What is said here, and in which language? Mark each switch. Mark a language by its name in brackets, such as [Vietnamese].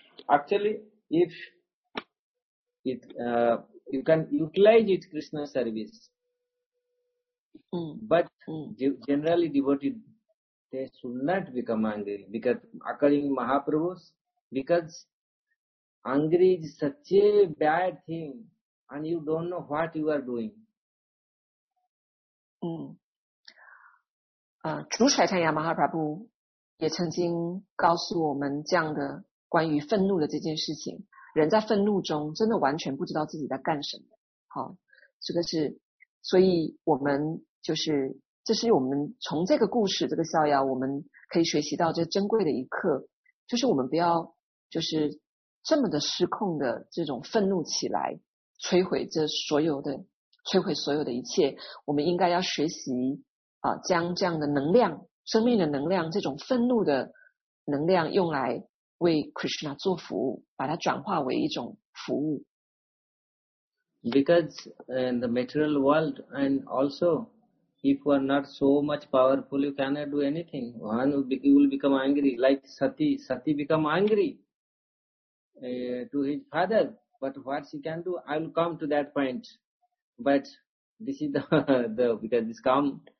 [English] Actually, you can utilize it Krishna service. But generally devotee they should not become angry, because according to Mahaprabhu, because angry is such a bad thing and you don't know what you are doing. [Chinese] 主舍坦亚马哈普拉布也曾经告诉我们这样的关于愤怒的这件事情，人在愤怒中真的完全不知道自己在干什么。好，这个是，所以我们就是，这是我们从这个故事这个逍遥我们可以学习到这珍贵的一课，就是我们不要就是这么的失控的这种愤怒起来摧毁这所有的，摧毁所有的一切，我们应该要学习将这样的能量，生命的能量，这种愤怒的能量用来为 Krishna 做服务，把它转化为一种服务。 [English] Because in the material world and also if you are not so much powerful you cannot do anything. One will become angry like Sati. Sati become angry to his father. But what she can do? I will come to that point. But this is the because this come.